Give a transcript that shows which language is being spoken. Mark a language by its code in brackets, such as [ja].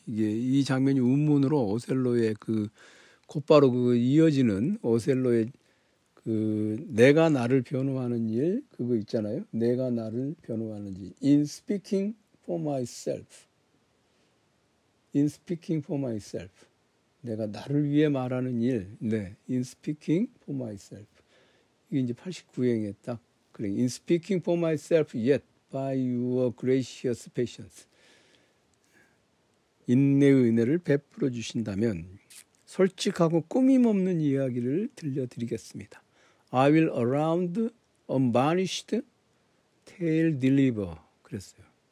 [ko] 이게 이 장면이 운문으로 오셀로의 그 곧바로 그 이어지는 오셀로의 그 내가 나를 변호하는 일 그거 있잖아요. 내가 나를 변호하는 일. [en] In speaking for myself. In speaking for myself. [ko] 내가 나를 위해 말하는 일. 네. [en] In speaking for myself. [ko] 이게 이제 89행에 딱 그래. [en] In speaking for myself yet by your gracious patience. [ko] 인내의 은혜를 베풀어 주신다면 솔직하고 꾸밈없는 이야기를 들려드리겠습니다. [en] I will around unvarnished tale deliver. [ko] 그랬어요.